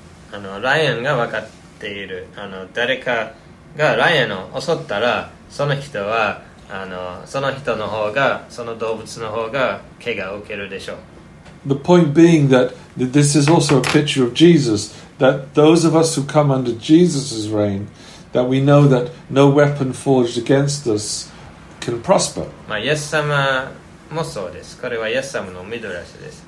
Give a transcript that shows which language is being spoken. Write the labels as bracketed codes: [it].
[ja] ライオンが分かっている。誰かがライオンを襲ったら、その人はその人の方が、その動物の方が怪我を受けるでしょう。 [en] The point being that this is also a picture of Jesus. that those of us who come under Jesus' reign, that we know that no weapon forged against us can prosper. [ja] まあ、イエス様もそうです。これはイエス様のミドラシです。